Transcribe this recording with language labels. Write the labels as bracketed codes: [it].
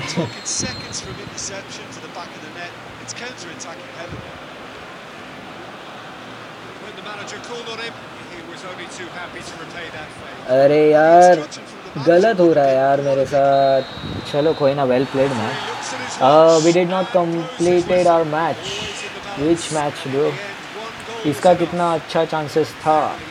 [en] It's counter-attacking heaven. The manager called on him. He was only too happy to repay that favor. [hi] अरे यार गलत हो रहा है यार मेरे साथ. चलो कोई ना, [en] well played man. We did not completed our match. Which match bro? [hi] इसका कितना अच्छा चांसेस था.